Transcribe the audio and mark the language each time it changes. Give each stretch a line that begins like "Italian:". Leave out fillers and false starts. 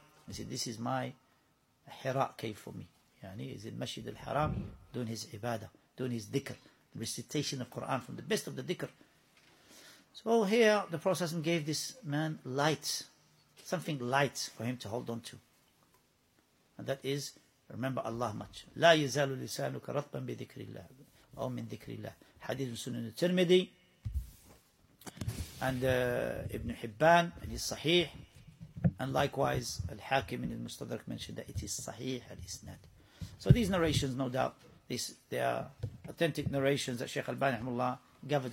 English: He said, this is my hira cave for me. Yani, he's in Masjid al-Haram doing his ibadah, doing his dhikr, recitation of Quran from the best of the dhikr. So here, the Prophet gave this man light, something light for him to hold on to. And that is, remember Allah much.
Arabic: لا يزال لسانك رطبا بذكر الله أو من ذكر الله.
English: Hadith in Sunan al-Tirmidhi and Ibn Hibban and his Sahih. And likewise, Al-Hakim in Al-Mustadrak mentioned that it is Sahih al-Isnad. So these narrations, no doubt, they are authentic narrations that Shaykh Al-Bani rahimahullah gathered.